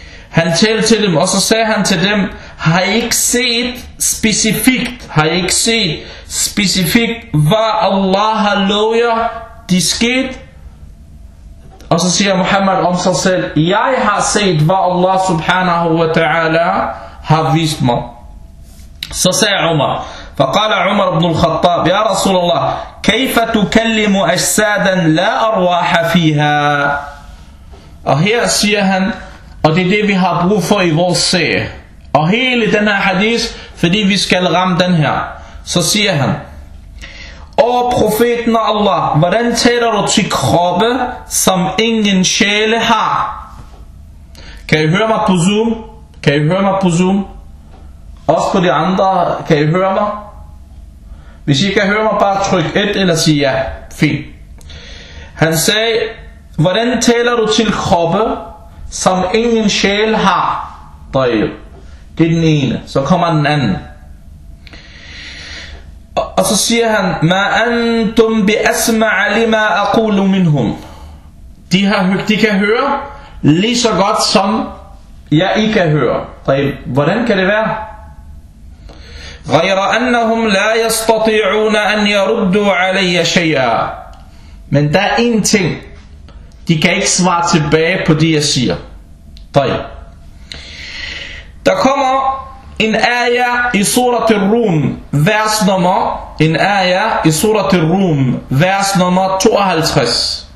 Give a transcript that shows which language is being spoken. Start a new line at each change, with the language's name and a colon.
Danish: Han talte til dem, og så sagde han til dem: Har I ikke set specifikt, hvad Allah har lovet jer, det skete? Og så siger Muhammad om sig selv: Jeg har set, hvad Allah subhanahu wa ta'ala har vist mig. Så sagde Umar,
Arabic: فقال عمر بن الخطاب يا رسول الله كيف تكلم أجسادا لا أرواح فيها.
Danish: Og her siger han, og det er det vi har brug for i vores sag. Og hele den her hadith, fordi vi skal ramme den her. Så siger han: O profeten af Allah, hvordan taler du til kroppe, som ingen sjæle har? Kan I høre mig på Zoom? Kan I høre mig på Zoom? Også på de andre, kan I høre mig? Hvis I kan høre mig, bare tryk 1 eller sige ja. Fint. Han sagde: Hvordan taler du til kroppe, som ingen sjæl har? Det er den ene. Så kommer den anden.
Arabic: Og så siger han: Ma antum bi asma'a lima aqulu minhum.
Danish: De har hørt, de kan høre lige så godt som jeg ikke kan høre. Hvordan kan det være?
Arabic: غير أنهم لا يستطيعون أن يردوا علي شيئا.
Danish: Men der er en ting, de kan ikke svare tilbage på det jeg siger. طيب. Der kommer en aya i surat al-Rum, vers nummer, en aya i surat al-Rum, vers nummer 52.